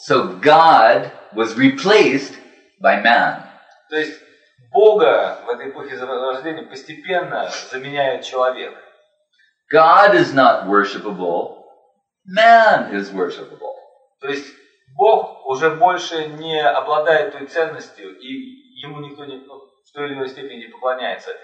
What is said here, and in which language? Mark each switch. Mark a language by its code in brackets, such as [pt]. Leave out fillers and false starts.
[en] So God was replaced by man. [ru] То есть Бога в этой эпохе Возрождения постепенно заменяет человек. [en] God is not worshipable, man is worshipable. [ru] То есть Бог уже больше не обладает той ценностью, и ему никто не, в той или иной степени поклоняется.